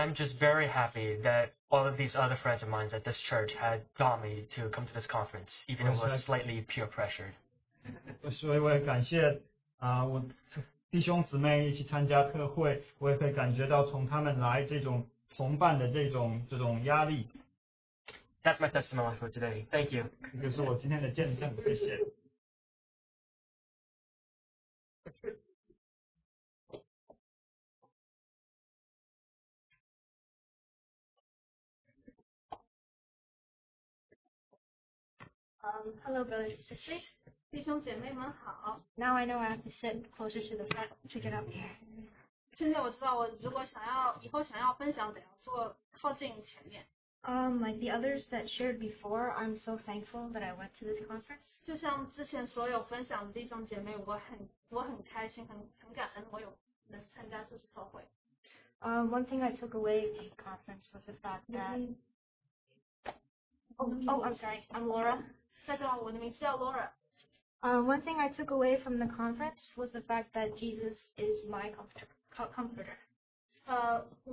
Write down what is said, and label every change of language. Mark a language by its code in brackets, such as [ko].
[en] I'm just very happy that all of these other friends of mine at this church had got me to come to this conference, even if it was slightly peer pressured. [zh] 所以我也感谢我弟兄姊妹一起参加特会，我也可以感觉到从他们来这种。崇拜的这种压力。 [en] That's my testimony for today. Thank you. [zh] 就是我今天的见证，谢谢。 [en] Hello, brothers and sisters. [zh] 弟兄姐妹们好。 [en] Now I know I have to sit closer to the front to get up here. [zh] 现在我知道，我如果想要以后想要分享，得要坐靠近前面。 [en] Like the others that shared before, I'm so thankful that I went to this conference. [zh] 就像之前所有分享的弟兄姐妹，我很开心，很感恩，我有能参加这次特会。 [en] One thing I took away from the conference was the fact that. I'm sorry, I'm Laura. [zh] 大家好，我的名字叫Laura。 [en] One thing I took away from the conference was the fact that Jesus is my comforter.